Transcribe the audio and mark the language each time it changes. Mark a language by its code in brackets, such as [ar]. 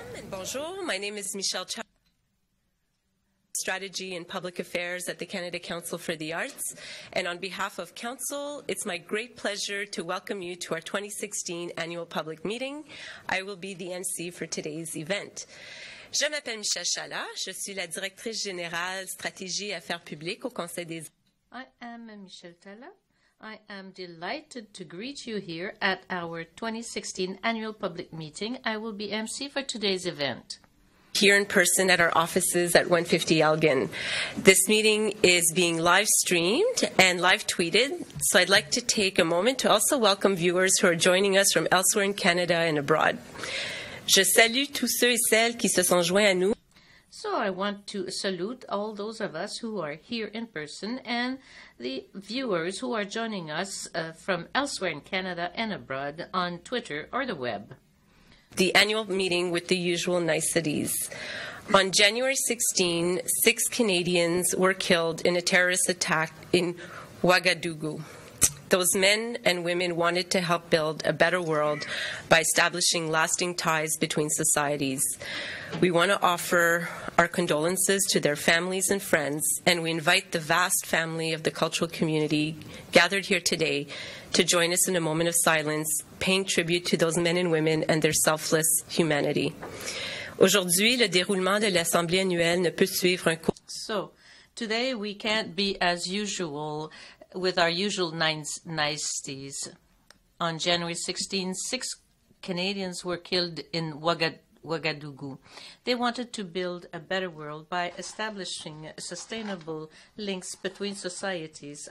[fr] Bonjour, [en] my name is Michelle Chow, Strategy and Public Affairs at the Canada Council for the Arts. And on behalf of Council, it's my great pleasure to welcome you to our 2016 annual public meeting. I will be the MC for today's event. [fr] Je m'appelle Michelle Chala. Je suis la directrice générale stratégie et affaires publiques au Conseil des Arts. [en] I am Michelle Chala. I am delighted to greet you here at our 2016 annual public meeting. I will be MC for today's event. Here in person at our offices at 150 Elgin. This meeting is being live streamed and live tweeted, so I'd like to take a moment to also welcome viewers who are joining us from elsewhere in Canada and abroad. [fr] Je salue tous ceux et celles qui se sont joints à nous. [en] So I want to salute all those of us who are here in person and the viewers who are joining us from elsewhere in Canada and abroad on Twitter or the web. The annual meeting with the usual niceties. On January 16, six Canadians were killed in a terrorist attack in Ouagadougou. Those men and women wanted to help build a better world by establishing lasting ties between societies. We want to offer our condolences to their families and friends, and we invite the vast family of the cultural community gathered here today to join us in a moment of silence, paying tribute to those men and women and their selfless humanity. [fr] Aujourd'hui, le déroulement de l'Assemblée annuelle ne peut suivre un cours. [en] So, today we can't be as usual with our usual niceties. On January 16, six Canadians were killed in Ouagadougou. They wanted to build a better world by establishing sustainable links between societies.